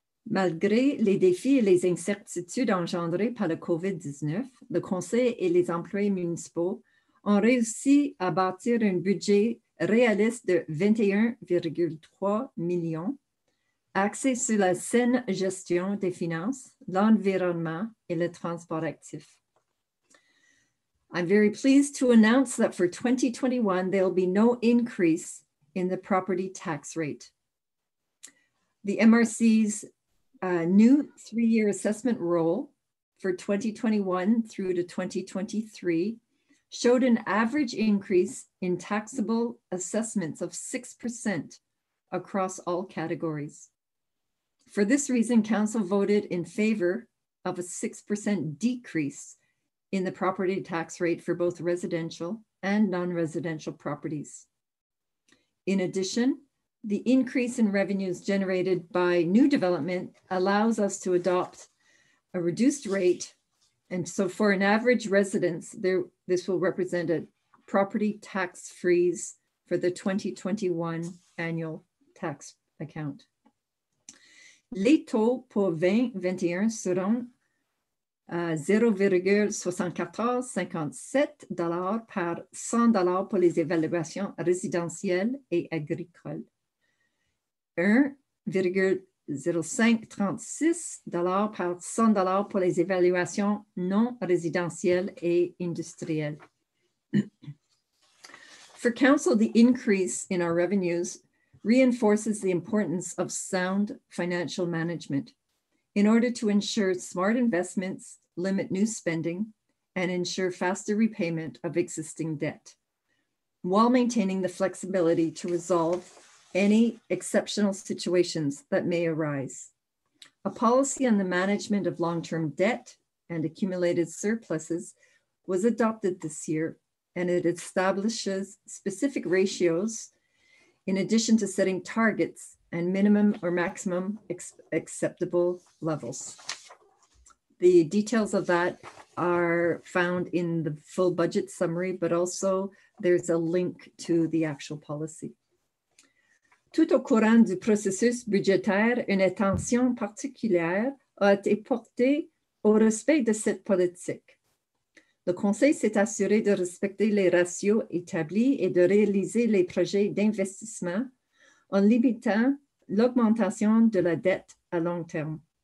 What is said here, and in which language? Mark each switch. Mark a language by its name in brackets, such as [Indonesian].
[French] Malgré les défis et les incertitudes engendrées par le COVID-19, le conseil et les employés municipaux ont réussi à bâtir un budget réaliste de 21,3 millions axé sur la saine gestion des finances, l'environnement et le transport actif. [English] I'm very pleased to announce that for 2021, there will be no increase in the property tax rate. The MRC's new three-year assessment roll for 2021 through to 2023 showed an average increase in taxable assessments of 6% across all categories. For this reason, Council voted in favor of a 6% decrease in the property tax rate for both residential and non-residential properties. In addition, the increase in revenues generated by new development allows us to adopt a reduced rate. And so for an average residence, this will represent a property tax freeze for the 2021 annual tax account. [French] Les taux pour 2021 seront 0,7457 par 100 pour les évaluations résidentielles et agricoles, 1,0536 par 100 pour les évaluations non résidentielles et industrielles. [English] For Council, the increase in our revenues reinforces the importance of sound financial management in order to ensure smart investments, limit new spending, and ensure faster repayment of existing debt, while maintaining the flexibility to resolve any exceptional situations that may arise. A policy on the management of long-term debt and accumulated surpluses was adopted this year, and it establishes specific ratios in addition to setting targets and minimum or maximum acceptable levels. The details of that are found in the full budget summary, but also there's a link to the actual policy. [French] Tout au courant du processus budgétaire, une attention particulière a été portée au respect de cette politique. Le conseil s'est assuré de respecter les ratios établis et de réaliser les projets d'investissement en limitant l'augmentation de la dette à long terme.